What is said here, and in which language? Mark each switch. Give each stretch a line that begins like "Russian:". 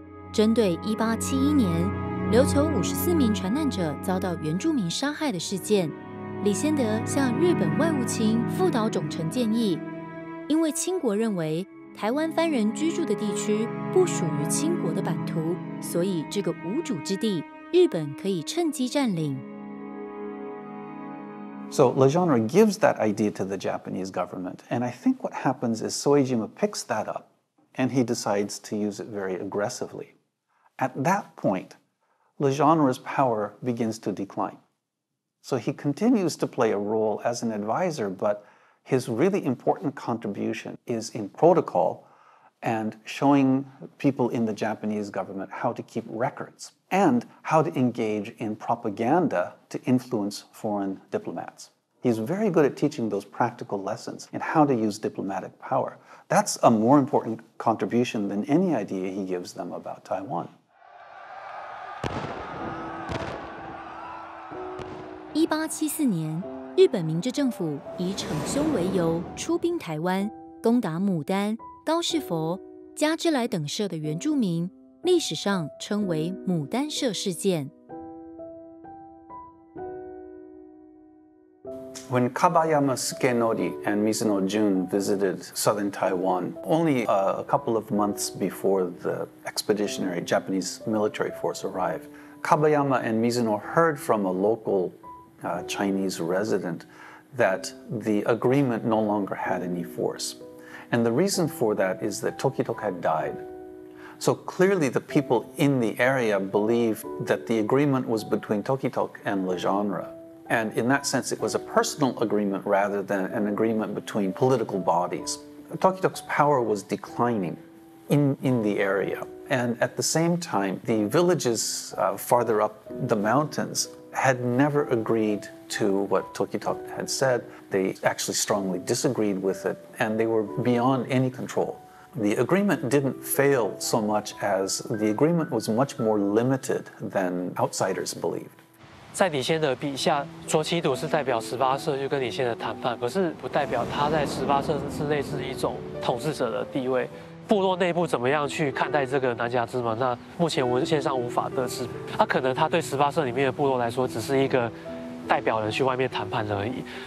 Chinese: 针对1871年琉球54名船难者遭到原住民杀害的事件，李先德向日本外务卿副岛冢臣建议，因为清国认为台湾藩人居住的地区不属于清国的版图，所以这个无主之地日本可以趁机占领。
English: So Legendre gives that idea to the Japanese government, and I think what happens is Soejima picks that up, and he decides to use it very aggressively. At that point, Legendre's power begins to decline. So he continues to play a role as an advisor, but his really important contribution is in protocol and showing people in the Japanese government how to keep records. And how to engage in propaganda to influence foreign diplomats. He's very good at teaching those practical lessons in how to use diplomatic power. That's a more important contribution than any idea he gives them about Taiwan.
Chinese: 1874年，日本明治政府以惩修为由出兵台湾，攻打牡丹、高士佛、加之来等社的原住民。历史上称为牡丹社事件。
English: When Kabayama Sukenori and Mizuno Jun visited southern Taiwan only a couple of months before the expeditionary Japanese military force arrived, Kabayama and Mizuno heard from a local Chinese resident that the agreement no longer had any force. And the reason for that is that Tokitok had died. So clearly the people in the area believed that the agreement was between Tokitok and Le Genre. And in that sense, it was a personal agreement rather than an agreement between political bodies. Tokitok's power was declining in the area. And at the same time, the villages farther up the mountains had never agreed to what Tokitok had said. They actually strongly disagreed with it, and they were beyond any control. The agreement didn't fail so much as the agreement was much more limited than outsiders believed.
Chinese: 在李先的笔下，卓奇笃是代表十八社，就跟李先的谈判，可是不代表他在十八社之内是一种统治者的地位。部落内部怎么样去看待这个南迦之盟？那目前文献上无法得知。他可能他对十八社里面的部落来说，只是一个代表人去外面谈判而已。